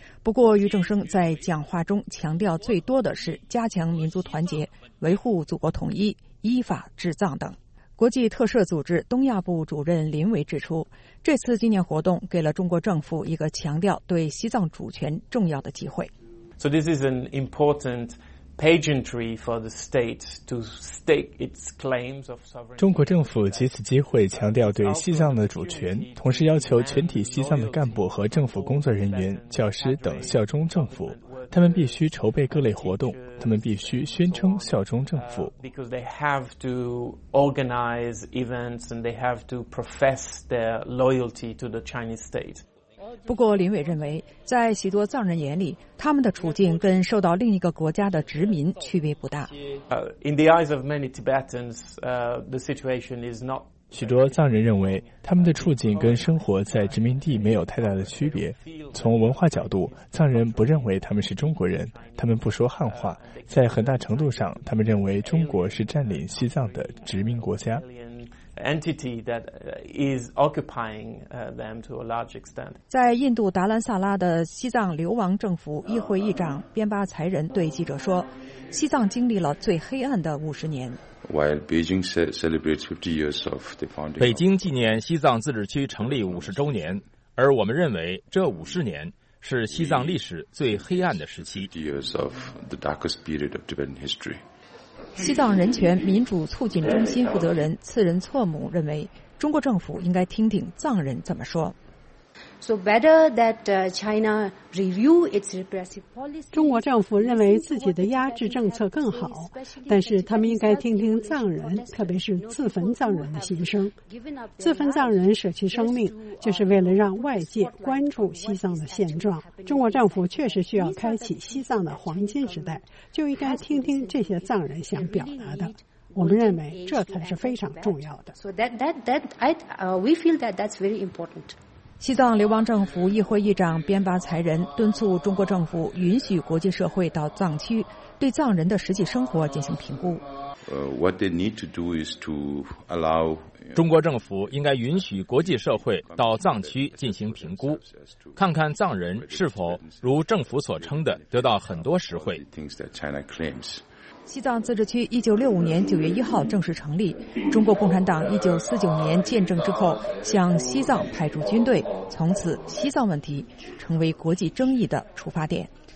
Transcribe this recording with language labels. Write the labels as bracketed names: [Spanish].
[Chinese] 不过于正声在讲话中强调最多的是加强民族团结，维护祖国统一，依法治藏等。国际特赦组织东亚部主任林维指出，这次纪念活动给了中国政府一个强调对西藏主权重要的机会。 [English] So this is an important pageantry for the state to stake its claims of sovereignty. [Chinese] 中国政府借此机会强调对西藏的主权，同时要求全体西藏的干部和政府工作人员、教师等效忠政府。他们必须筹备各类活动，他们必须宣称效忠政府。 [English] Because they have to organize events and they have to profess their loyalty to the Chinese state. [Chinese] 不过林伟认为，在许多藏人眼里，他们的处境跟受到另一个国家的殖民区别不大。 [English] In the eyes of many Tibetans, the situation is not. [Chinese] 许多藏人认为，他们的处境跟生活在殖民地没有太大的区别。从文化角度，藏人不认为他们是中国人，他们不说汉话，在很大程度上，他们认为中国是占领西藏的殖民国家。 [English] Entity that is occupying them to a large extent. [Chinese] 在印度达兰萨拉的西藏流亡政府议会议长边巴才人对记者说，西藏经历了最黑暗的五十年。 [English] While Beijing celebrates 50 years of the founding, [Chinese] 北京纪念西藏自治区成立五十周年，而我们认为这五十年是西藏历史最黑暗的时期。 [English] 50 years of the darkest period of Tibetan history. [Chinese] 西藏人权民主促进中心负责人次仁措姆认为，中国政府应该听听藏人怎么说。 [English] So better that China review its repressive policy. [Chinese] 中国政府认为自己的压制政策更好，但是他们应该听听藏人，特别是自焚藏人的心声。自焚藏人舍弃生命，就是为了让外界关注西藏的现状。中国政府确实需要开启西藏的黄金时代，就应该听听这些藏人想表达的。我们认为这才是非常重要的。 [English] We feel that that's very important. [Chinese] 西藏流亡政府议会议长边巴才人敦促中国政府允许国际社会到藏区，对藏人的实际生活进行评估。 [English] What they need to do is to allow [Chinese] 中国政府应该允许国际社会到藏区进行评估，看看藏人是否如政府所称的得到很多实惠。西藏自治区1965年9月1号正式成立，中国共产党1949年建政之后向西藏派驻军队，从此西藏问题成为国际争议的出发点。